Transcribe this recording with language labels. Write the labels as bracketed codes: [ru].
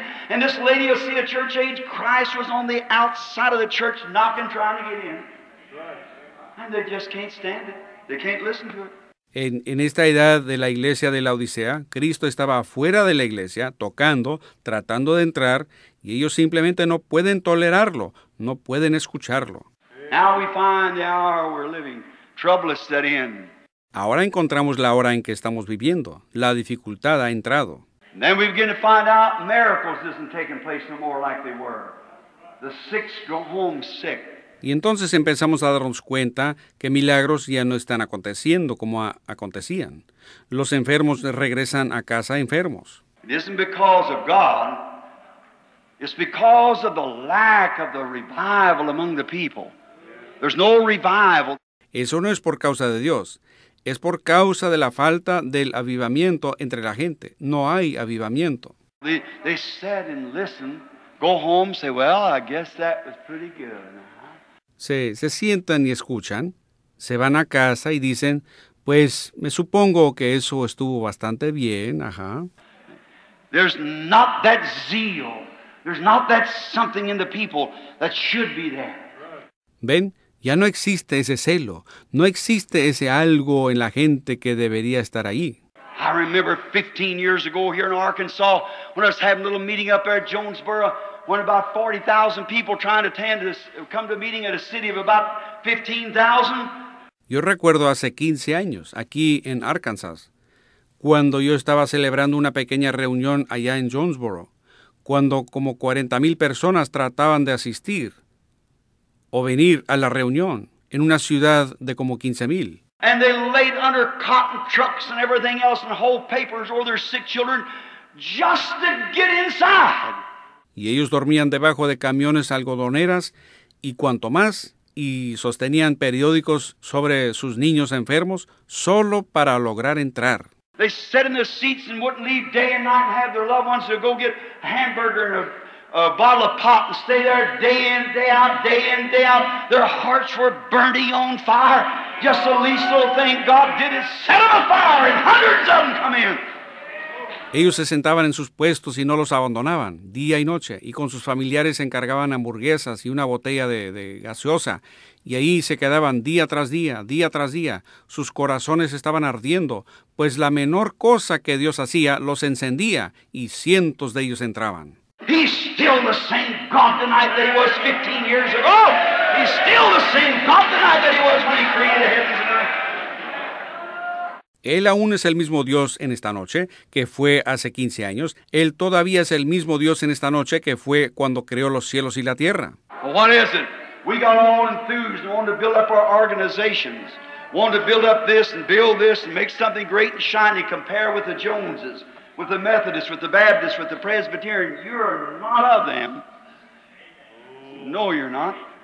[en] And this lady will see a church age, Christ was on the outside of the church knocking, trying to get in. Right. And they just can't stand it. They can't listen to it. [es] En esta edad de la iglesia de la Odisea, Cristo estaba afuera de la iglesia, tocando, tratando de entrar, y ellos simplemente no pueden tolerarlo, no pueden escucharlo. [en] Now we find the hour we're living. Trouble has set in. [es] Ahora encontramos la hora en que estamos viviendo. La dificultad ha entrado. [en] Then we begin to find out miracles isn't taking place no more like they were. The sick go home sick. [es] Y entonces empezamos a darnos cuenta que milagros ya no están aconteciendo como acontecían. Los enfermos regresan a casa enfermos. [en] It isn't because of God. It's because of the lack of the revival among the people. There's no revival. [es] Eso no es por causa de Dios. Es por causa de la falta del avivamiento entre la gente. No hay avivamiento. [en] They sat and listened, go home, say, well, I guess that was pretty good. [es] Se sientan y escuchan, se van a casa y dicen, pues, me supongo que eso estuvo bastante bien, [en] There's not that zeal. There's not that something in the people that should be there. [es] Ven. Ya no existe ese celo, no existe ese algo en la gente que debería estar ahí. [en] I remember 15 years ago here in Arkansas when I was having a little meeting up there at Jonesboro when about 40,000 people trying to attend this come to a meeting at a city of about 15,000. [es] Yo recuerdo hace 15 años aquí en Arkansas cuando yo estaba celebrando una pequeña reunión allá en Jonesboro cuando como 40,000 personas trataban de asistir. O venir a la reunión en una ciudad de como 15,000. [en] And they laid under cotton trucks and everything else and whole papers or their sick children just to get inside. [es] Y ellos dormían debajo de camiones algodoneras y cuanto más y sostenían periódicos sobre sus niños enfermos solo para lograr entrar. [en] They sat in their seats and wouldn't leave day and night and have their loved ones to go get a hamburger and a bottle of pop and stay there day in, day out, day in, day out. Their hearts were burning on fire. Just the least little thing God did is set them afire and hundreds of them come in. [es] Ellos se sentaban en sus puestos y no los abandonaban, día y noche, y con sus familiares se encargaban hamburguesas y una botella de gaseosa, y ahí se quedaban día tras día, día tras día. Sus corazones estaban ardiendo, pues la menor cosa que Dios hacía los encendía, y cientos de ellos entraban. [en] He's still the same God tonight that he was 15 years ago. He's still the same God tonight that he was when he created the heavens and earth. [es] Él aún es el mismo Dios en esta noche que fue hace 15 años. Él todavía es el mismo Dios en esta noche que fue cuando creó los cielos y la tierra. [en] Well, what is it? We got all enthused and wanted to build up our organizations. Wanted to build up this and build this and make something great and shiny. Compare with the Joneses. With the Methodist, with the Baptist, with the Presbyterian, you're not of them. No, you're not.